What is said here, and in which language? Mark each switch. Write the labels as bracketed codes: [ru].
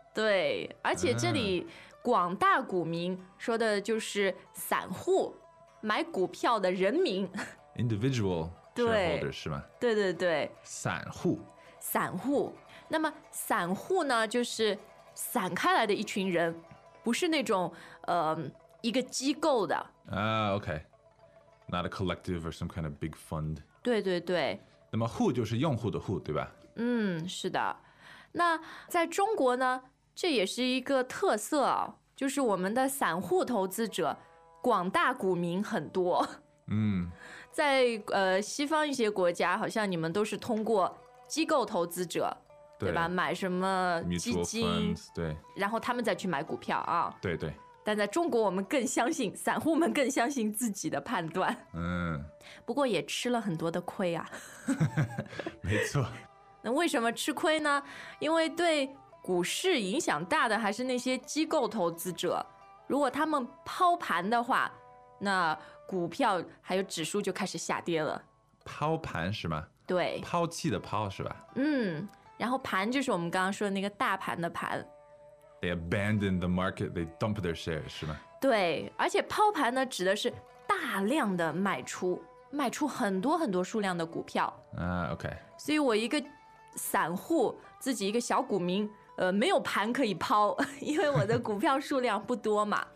[zh] 对而且这里广大股民说的就是散户买股票的人民 [en] individual shareholders [zh] 是吗对对对散户散户那么散户呢就是散开来的一群人不是那种一个机构的 [en] OK Not a collective or some kind of big fund [zh] 对对对那么户就是用户的户对吧是的那在中国呢这也是一个特色啊、哦，就是我们的散户投资者广大股民很多在西方一些国家好像你们都是通过机构投资者对吧买什么基金 funds, 对然后他们再去买股票啊。对对但在中国我们更相信散户们更相信自己的判断不过也吃了很多的亏啊没错那为什么吃亏呢因为对股市影响大的还是那些机构投资者如果他们抛盘的话那股票还有指数就开始下跌了抛盘是吗对抛弃的抛是吧然后盘就是我们刚刚说的那个大盘的盘 [en] They abandon the market They dump their shares [zh] 是吗对而且抛盘呢指的是大量的卖出卖出很多很多数量的股票 OK 所以我一个散户自己一个小股民没有盘可以抛因为我的股票数量不多嘛